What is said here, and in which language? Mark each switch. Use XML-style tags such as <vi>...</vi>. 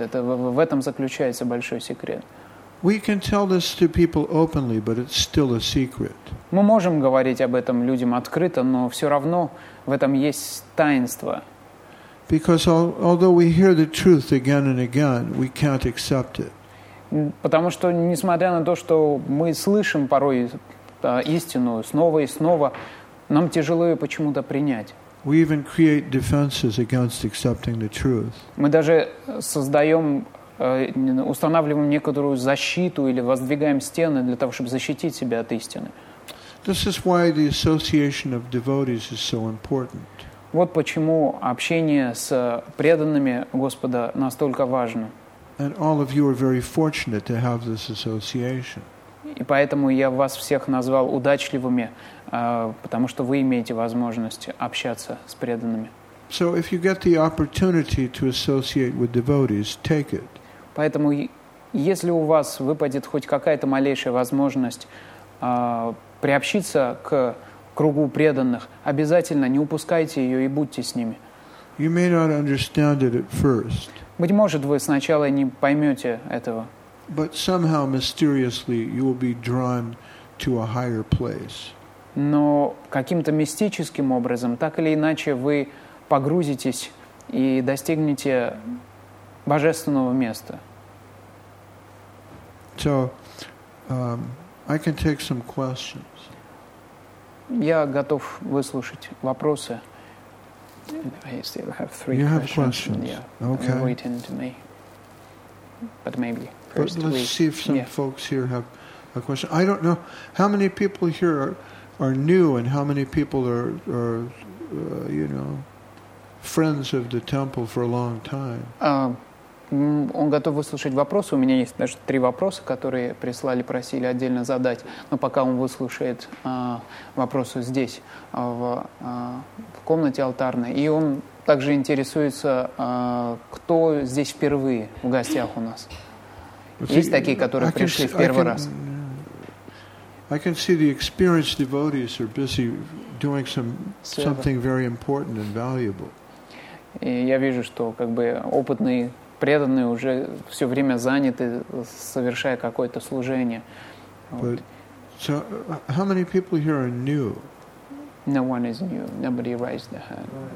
<ru>Это в этом заключается большой секрет.</ru> <en>We can tell this to people openly, but it's still a secret.</en> <ru>Мы можем говорить об этом людям открыто, но все равно в этом есть таинство.</ru> <en>Because although we hear the truth again and again, we can't accept it.</en> <ru>Потому что, несмотря на то, что мы слышим порой истину снова и снова, нам тяжело ее почему-то принять.</ru> <en>We even create defenses against accepting the truth.</en> <ru>Мы даже создаем, устанавливаем некоторую защиту или воздвигаем стены для того, чтобы защитить себя от истины.</ru> <en>This is why the association of devotees is so important.</en> <ru>Вот почему общение с преданными Господа настолько важно.</ru> <en>And all of you are very fortunate to have this association.</en> <ru>И поэтому я вас всех назвал удачливыми, потому что вы имеете возможность общаться с преданными.</ru> <en>So if you get the opportunity to associate with devotees, take it.</en> <ru>Поэтому если у вас выпадет хоть какая-то малейшая возможность приобщиться к кругу преданных, обязательно не упускайте ее и будьте с ними.</ru> <en>You may not understand it at first.</en> <ru>Быть может, вы сначала не поймете этого.</ru> <en>But somehow mysteriously you will be drawn to a higher place.</en> <ru>Но каким-то мистическим образом, так или иначе, вы погрузитесь и достигнете божественного места.</ru> <en>So, I can take some questions.</en> <ru>Я готов выслушать вопросы.</ru> <en>I still have three you You have questions. Yeah. Okay. They're waiting to me. But maybe first but let's see if some yeah. folks here have a question. I don't know how many people here are new and how many people are friends of the temple for a long time.</en> <ru>Он готов выслушать вопросы. У меня есть даже три вопроса, которые прислали, просили отдельно задать. Но пока он выслушает вопросы здесь, в комнате алтарной. И он также интересуется, кто здесь впервые в гостях у нас. Есть такие, которые пришли в первый раз?</ru> <en>I can see the experienced devotees are busy doing something very important and valuable.</en> <ru>И я вижу, что опытные преданные уже все время заняты, совершая какое-то служение.</ru> <en>But, so, how many people here are new? No one is new. Nobody raised their hand.</en>